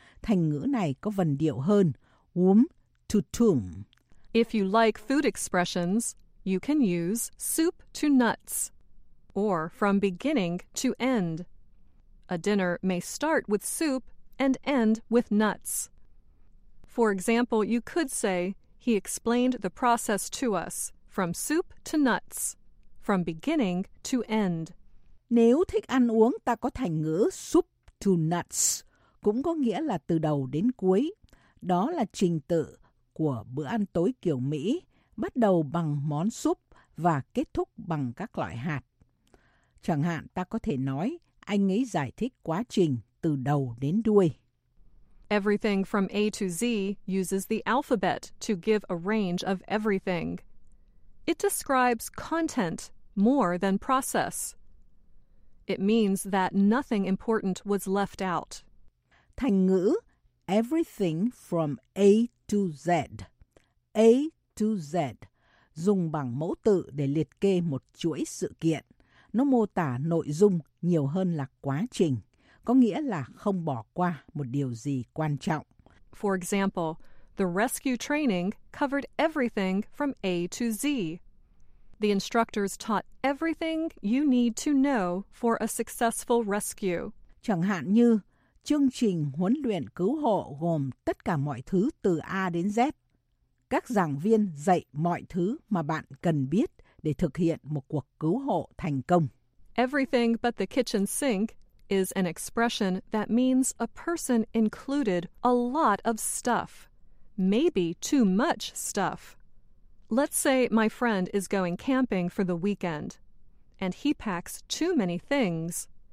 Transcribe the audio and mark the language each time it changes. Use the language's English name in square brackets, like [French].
[Vietnamese] Thành ngữ này có vần điệu hơn, [English] womb to tomb. If you like food expressions, you can use soup to nuts, or from beginning to end. A dinner may start with soup and end with nuts. For example, you could say, he explained the process to us, from soup to nuts, from beginning to end. [Vietnamese] Nếu thích ăn uống, ta có thành ngữ [English] soup to nuts, [Vietnamese] cũng có nghĩa là từ đầu đến cuối. Đó là trình tự của bữa ăn tối kiểu Mỹ, bắt đầu bằng món súp và kết thúc bằng các loại hạt. Chẳng hạn ta có thể nói, anh ấy giải thích quá trình từ đầu đến đuôi. [English] Everything from A to Z uses the alphabet to give a range of everything. It describes content more than process. It means that nothing important was left out. [Vietnamese] Thành ngữ [English] everything from A to Z. [Vietnamese] A to Z dùng bằng mẫu tự để liệt kê một chuỗi sự kiện. Nó mô tả nội dung nhiều hơn là quá trình, có nghĩa là không bỏ qua một điều gì quan trọng. [English] For example, the rescue training covered everything from A to Z. The instructors taught everything you need to know for a successful rescue. [Vietnamese] Chẳng hạn như chương trình huấn luyện cứu hộ gồm tất cả mọi thứ từ A đến Z. Các giảng viên dạy mọi thứ mà bạn cần biết để thực hiện một cuộc cứu hộ thành công. [English] Everything but the kitchen sink is an expression that means a person included a lot of stuff. Maybe too much stuff. Let's say my friend is going camping for the weekend and he packs too many things.